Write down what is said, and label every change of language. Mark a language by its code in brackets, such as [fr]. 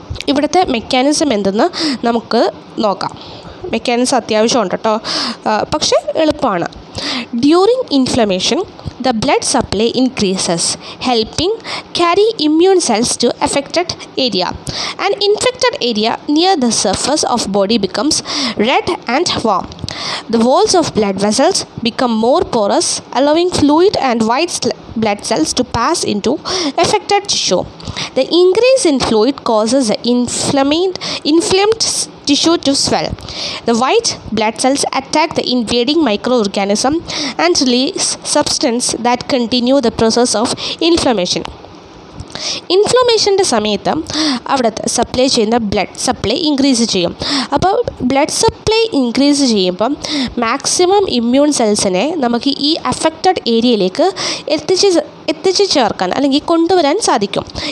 [ml] ഇവിടുത്തെ മെക്കാനിസം എന്തെന്ന് നമുക്ക് നോക്കാം. മെക്കാനിസം അത്യാവശ്യമുണ്ട് കേട്ടോ, പക്ഷേ എളുപ്പമാണ്. [en] During inflammation the blood supply increases, helping carry immune cells to affected area. An infected area near the surface of body becomes red and warm. The walls of blood vessels become more porous, allowing fluid and white blood cells to pass into affected tissue. The increase in fluid causes the inflamed tissue to swell. The white blood cells attack the invading microorganism and release substances that continue the process of inflammation. [ml] ഇൻഫ്ലമേഷൻ്റെ സമയത്ത് അവിടുത്തെ supply ചെയ്യുന്ന blood supply increase ചെയ്യും. അപ്പോൾ blood supply increase ചെയ്യുമ്പം maximum immune സെൽസിനെ നമുക്ക് ഈ affected ഏരിയയിലേക്ക് എത്തിച്ച് ചേർക്കാൻ അല്ലെങ്കിൽ കൊണ്ടുവരാൻ സാധിക്കും.